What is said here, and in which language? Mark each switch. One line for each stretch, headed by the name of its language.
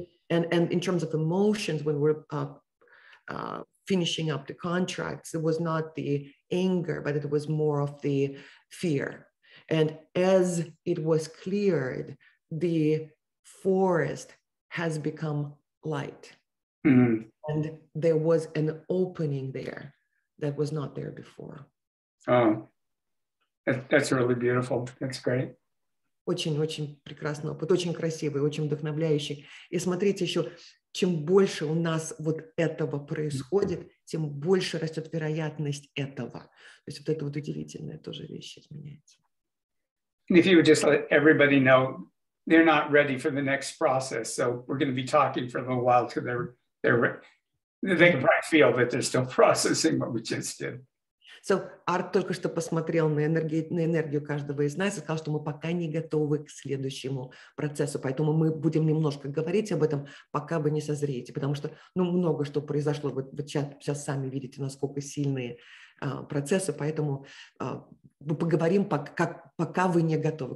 English: and in terms of emotions, when we're finishing up the contracts, it was not the anger, but it was more of the fear. And as it was cleared, the forest has become light, mm-hmm. and there was an opening there that was not there before. Oh. That's really beautiful. That's great.
Russian: Очень-очень прекрасный опыт, очень красивый, очень вдохновляющий. И смотрите еще, чем больше у нас вот этого происходит, тем больше растет вероятность этого. То есть вот это вот удивительное тоже вещь изменяется.
English: If you would just let everybody know, they're not ready for the next process, so we're going to be talking for a little while till they can probably feel that they're still processing what we just did.
Russian: So, Арт только что посмотрел на энергию каждого из нас и сказал, что мы пока не готовы к следующему процессу, поэтому мы будем немножко говорить об этом, пока вы не созреете, потому что, ну, много что произошло, вот сейчас сами видите, насколько сильные процессы, поэтому мы поговорим, пока вы не готовы.